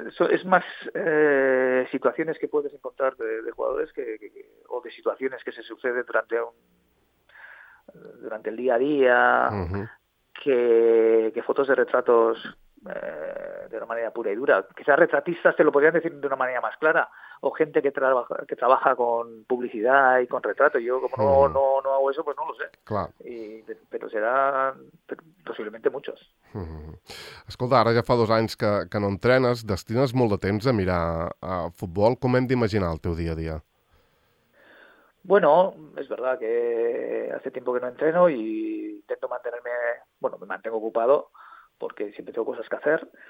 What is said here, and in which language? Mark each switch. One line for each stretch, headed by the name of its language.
Spanish: Es más situaciones que puedes encontrar de jugadores o de situaciones que se suceden durante el día a día que fotos de retratos de una manera pura y dura. Quizás retratistas te lo podrían decir de una manera más clara, o gente que trabaja con publicidad y con retrato. Yo como no hago eso, pues no lo sé.
Catalan: Clar.
Spanish: Pero serán posiblemente muchos.
Catalan: Escolta, ara ja fa 2 anys que no entrenes, destines molt de temps a mirar a futbol. Com hem d'imaginar el teu dia a dia?
Spanish: Bueno, es verdad que hace tiempo que no entreno y intento mantenerme, bueno, me mantengo ocupado porque siempre tengo cosas que hacer.